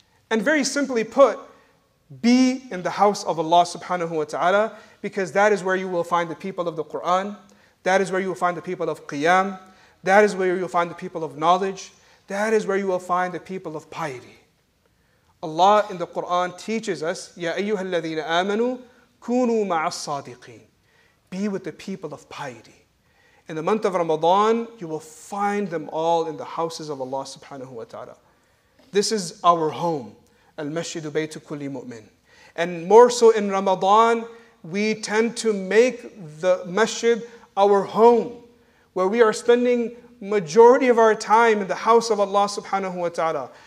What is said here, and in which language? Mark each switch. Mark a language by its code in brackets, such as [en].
[en] And very simply put, be in the house of Allah subhanahu wa ta'ala, because that is where you will find the people of the Quran, that is where you will find the people of Qiyam, that is where you will find the people of knowledge, that is where you will find the people of piety. Allah in the Quran teaches us, [ar] يَا أَيُّهَا الَّذِينَ آمَنُوا كُونُوا مَعَ الصَّادِقِينَ. [en] Be with the people of piety. In the month of Ramadan, you will find them all in the houses of Allah subhanahu wa ta'ala. This is our home. Al-Masjidu Baytu Kulli Mu'min. And more so in Ramadan, we tend to make the masjid our home, where we are spending majority of our time in the house of Allah subhanahu wa ta'ala.